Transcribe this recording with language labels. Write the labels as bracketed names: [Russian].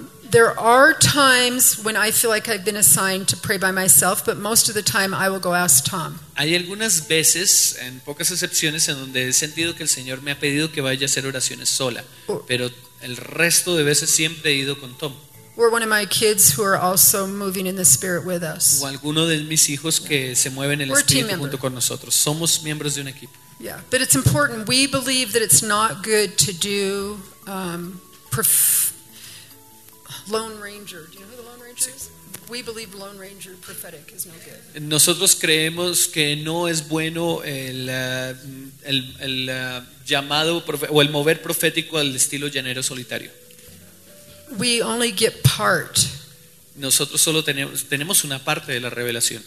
[English] There are times when I feel like I've been assigned to pray by myself, but most of the time I will go ask Tom. [Spanish] Hay algunas veces, en pocas excepciones, en donde he sentido que el Señor me ha pedido que vaya a hacer oraciones sola, pero el resto de veces siempre he ido con Tom. [English] Or one of my kids who are also moving in the Spirit with us. [Spanish] O alguno de mis hijos que se mueve en el Espíritu junto con nosotros. Somos miembros de un equipo. [English] Yeah, but it's important. We believe that it's not good to do Lone Ranger. Do you know who the Lone Ranger is? We believe Lone Ranger prophetic is no good. [Spanish] Nosotros creemos que no es bueno el llamado o el mover profético al estilo llanero solitario. [English] We only get part. [Spanish] Nosotros solo tenemos una parte de la revelación.